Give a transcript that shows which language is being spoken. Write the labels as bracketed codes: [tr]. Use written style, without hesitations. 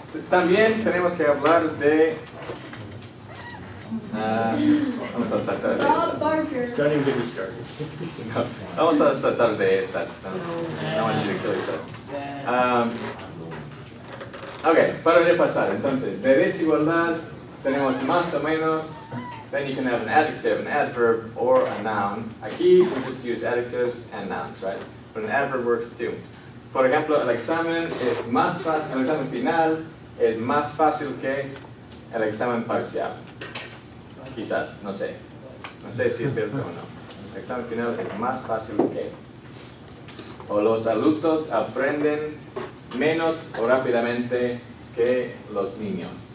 [es] También tenemos que hablar de vamos a saltar de esta. Vamos a saltar de esta. No, no, no. Okay, para repasar, entonces, de desigualdad, tenemos más o menos. [en] Then you can have an adjective, an adverb, or a noun. [es] Aquí, [en] we just use adjectives and nouns, right? But an adverb works too. [es] Por ejemplo, el examen es más fácil, el examen final es más fácil que el examen parcial. Quizás, no sé. No sé si es cierto o no. El examen final es más fácil que. O los adultos aprenden menos o rápidamente que los niños.